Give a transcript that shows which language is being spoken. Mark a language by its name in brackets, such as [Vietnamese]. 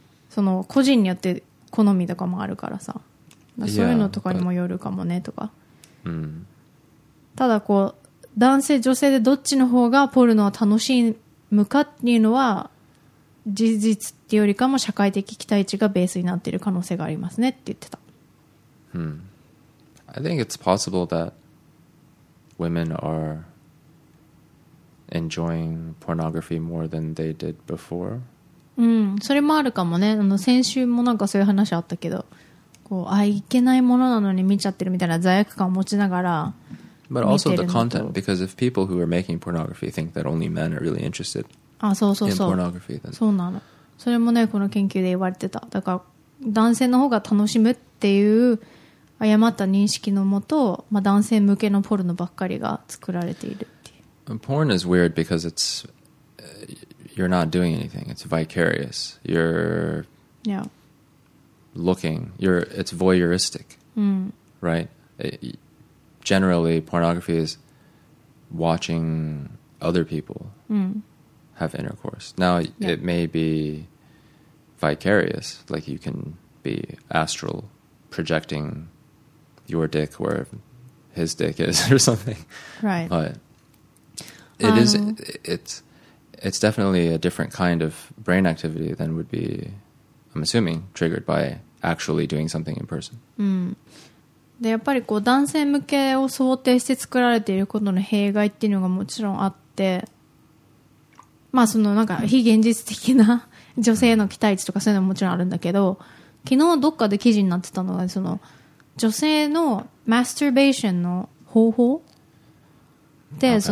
[Japanese] その個人によって好みとかもあるからさ、だからそういうのとかにもよるかもねとか。 [English] yeah, but,、 [Japanese] ただこう男性女性でどっちの方がポルノは楽しむかっていうのは事実っていうよりかも社会的期待値がベースになっている可能性がありますねって言ってた。 [English] I think it's possible that women are enjoying pornography more than they did before. [Japanese] うん、それもあるかもね。あの先週もなんかそういう話あったけど、こうあいけないものなのに見ちゃってるみたいな罪悪感を持ちながら見てるんだと。 [English] But also the content, because if people who are making pornography think that only men are really interested in pornography, then [Japanese] そうなの。それもねこの研究で言われてた。だから男性の方が楽しむっていう誤った認識のもと、まあ、男性向けのポルノばっかりが作られているっていう。 [English] Porn is weird because it'sYou're not doing anything. It's vicarious. You're yeah. looking. You're, it's voyeuristic.、 Mm. Right? It, generally, pornography is watching other people、 mm. have intercourse. Now,、yeah. it may be vicarious. Like, you can be astral projecting your dick where his dick is or something. Right. But it is, it's definitely a different kind of brain activity than would be, I'm assuming, triggered by actually doing something in person. [Japanese] で、やっぱりこう男性向けを想定して作られていることの弊害っていうのがもちろんあって、まあそのなんか非現実的な女性の期待値とかそういうのももちろんあるんだけど、昨日どっかで記事になってたのがその女性のマスターベーションの方法で、 [English] okay.